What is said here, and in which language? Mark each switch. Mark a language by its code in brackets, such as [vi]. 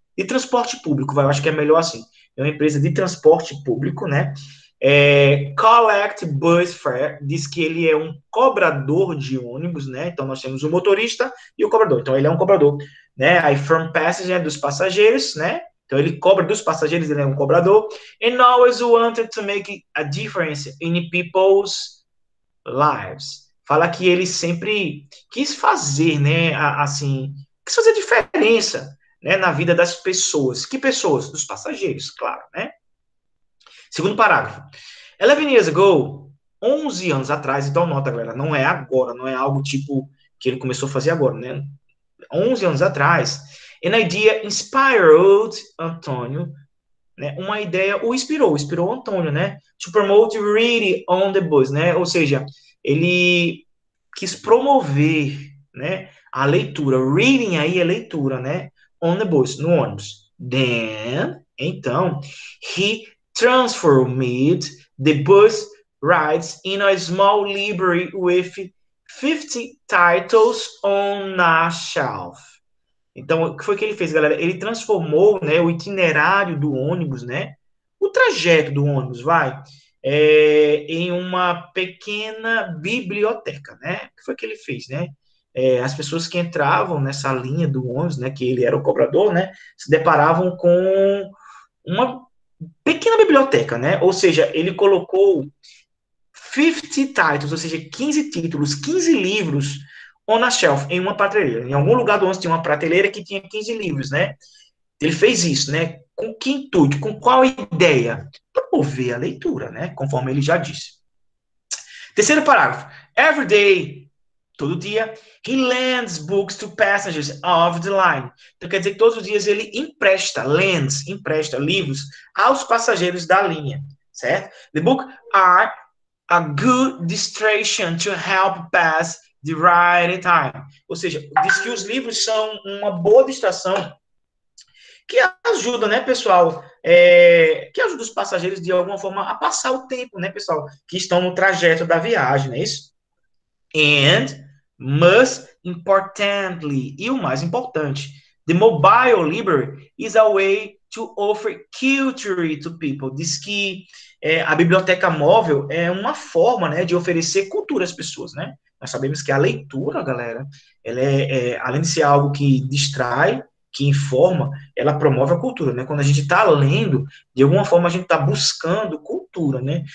[pt] De transporte público, vai. Eu acho que é melhor assim. É uma empresa de transporte público, né? [en] Collect bus fare, [pt] diz que ele é um cobrador de ônibus, né? Então nós temos o motorista e o cobrador. Então ele é um cobrador, né? Aí [en] from passenger, [pt] dos passageiros, né? Então ele cobra dos passageiros, ele é um cobrador. [en] And always wanted to make a difference in people's lives. [pt] Fala que ele sempre quis fazer, né? Assim, quis fazer diferença, né? Na vida das pessoas. Que pessoas? Dos passageiros, claro, né? Segundo parágrafo. [en] 11 years ago, [pt] 11 anos atrás, então nota, galera, não é agora, não é algo tipo que ele começou a fazer agora, né? 11 anos atrás, [en] an idea inspired Antonio, né? [pt] Uma ideia o inspirou, inspirou o Antonio, né? [en] To promote reading on the bus, [pt] né? Ou seja, ele quis promover, né, a leitura. Reading aí é leitura, né? [en] On the bus, [pt] no ônibus. [en] Then, [pt] então, [en] he transformed the bus rides in a small library with 50 titles on a shelf. [pt] Então, o que foi que ele fez, galera? Ele transformou, né, o itinerário do ônibus, né, o trajeto do ônibus, vai, em uma pequena biblioteca, né? O que foi que ele fez, né? As pessoas que entravam nessa linha do ônibus, né, que ele era o cobrador, né, se deparavam com uma pequena biblioteca, né? Ou seja, ele colocou [en] 50 titles, [pt] ou seja, 15 títulos, 15 livros [en] on a shelf, [pt] em uma prateleira. Em algum lugar do ônibus tinha uma prateleira que tinha 15 livros, né? Ele fez isso, né? Com que intuito? Com qual ideia? Promover a leitura, né? Conforme ele já disse. Terceiro parágrafo. [en] Every day, [pt] todo dia, [en] he lends books to passengers of the line. [pt] Então, quer dizer que todos os dias ele empresta, lends, empresta livros aos passageiros da linha, certo? [en] The book are a good distraction to help pass the riding time. [pt] Ou seja, diz que os livros são uma boa distração que ajuda, né, pessoal? Que ajuda os passageiros de alguma forma a passar o tempo, né, pessoal? Que estão no trajeto da viagem, não é isso? [en] And most importantly, [pt] e o mais importante, [en] the mobile library is a way to offer culture to people. [pt] Diz que a biblioteca móvel é uma forma, né, de oferecer cultura às pessoas, né? Nós sabemos que a leitura, galera, ela além de ser algo que distrai, que informa, ela promove a cultura, né? Quando a gente está lendo, de alguma forma a gente está buscando cultura, né?